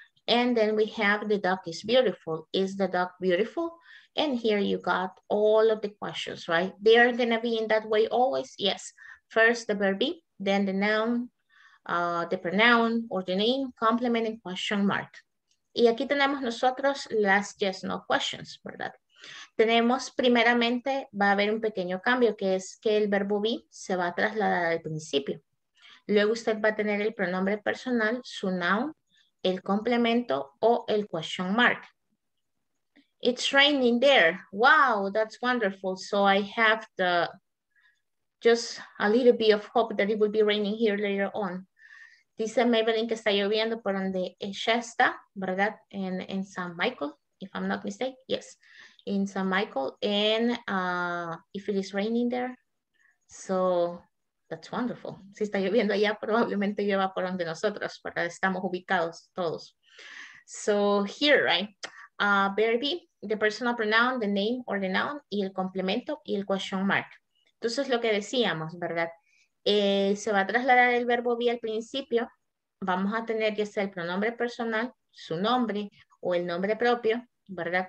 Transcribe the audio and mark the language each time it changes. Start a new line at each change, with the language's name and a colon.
English: And then we have the duck is beautiful. Is the duck beautiful? And here you got all of the questions, right? They are gonna be in that way always, yes. First the verb be, then the noun, the pronoun or the name, complement and question mark.
Spanish: Y aquí tenemos nosotros las yes, no questions, ¿verdad? Tenemos primeramente, va a haber un pequeño cambio, que es que el verbo be se va a trasladar al principio. Luego usted va a tener el pronombre personal, su noun, el complemento o el question mark.
English: It's raining there. Wow, that's wonderful. So I have the, just a little bit of hope that it will be raining here later on.
Spanish: Dice Maybelline que está lloviendo por donde ella está, ¿verdad?
English: En San Michael, if I'm not mistaken. Yes, in San Michael. And if it is raining there, so that's wonderful.
Spanish: Si está lloviendo allá, probablemente llueva por donde nosotros, ¿verdad? Estamos ubicados todos.
English: So here, right? Verbi, the personal pronoun, the name or the noun,
Spanish: y el complemento y el
English: question mark.
Spanish: Entonces lo que decíamos, ¿verdad? Se va a trasladar el verbo be al principio, vamos a tener ya sea el pronombre personal, su nombre o el nombre propio, ¿verdad?